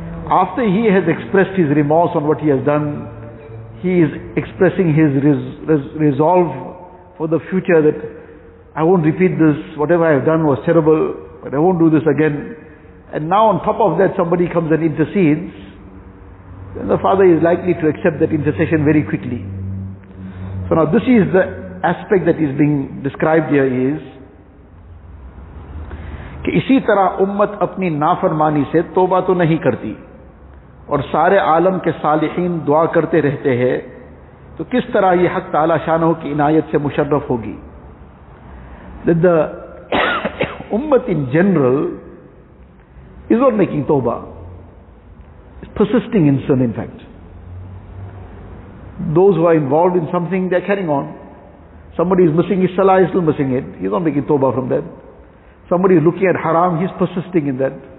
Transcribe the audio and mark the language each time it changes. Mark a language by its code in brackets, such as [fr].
[en] After he has expressed his remorse on what he has done, he is expressing his resolve for the future that I won't repeat this, whatever I have done was terrible, but I won't do this again. And now on top of that somebody comes and intercedes, then the father is likely to accept that intercession very quickly. So now this is the aspect that is being described here is, [ur] کہ اسی طرح امت اپنی نافرمانی سے توبہ تو نہیں کرتی اور سارے عالم کے صالحین دعا کرتے رہتے ہیں تو کس طرح یہ حق تعالی شانہ کی عنایت سے مشرف ہوگی. [en] The امت in general is not making توبہ, it's persisting in sin. In fact, those who are involved in something, they're carrying on. Somebody is missing his salah, he's still missing it, he's not making توبہ from that. Somebody is looking at haram, he's persisting in that.